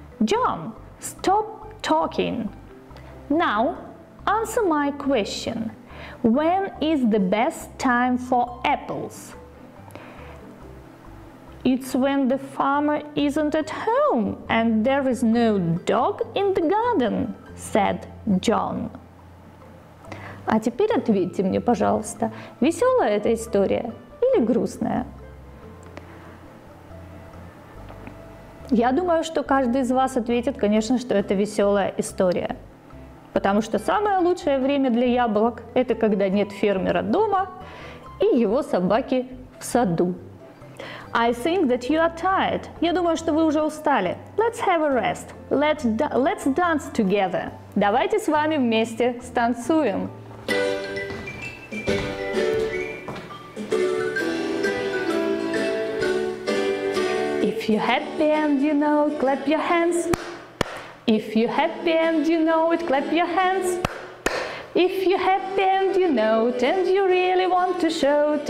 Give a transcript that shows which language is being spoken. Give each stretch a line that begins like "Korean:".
English: John, stop talking. Now, answer my question. When is the best time for apples? It's when the farmer isn't at home and there is no dog in the garden, said John.
Russian: А теперь ответьте мне, пожалуйста, веселая эта история или грустная? Я думаю, что каждый из вас ответит, конечно, что это веселая история. Потому что самое лучшее время для яблок – это когда нет фермера дома и его собаки в саду.
English: I think that you are tired.
Russian: Я думаю, что вы уже устали.
English: Let's have a rest. Let's dance together.
Russian: Давайте с вами вместе станцуем.
English: If you're happy and you know, clap your hands. If you're happy and you know it, clap your hands. If you're happy and you know it, and you really want to show it.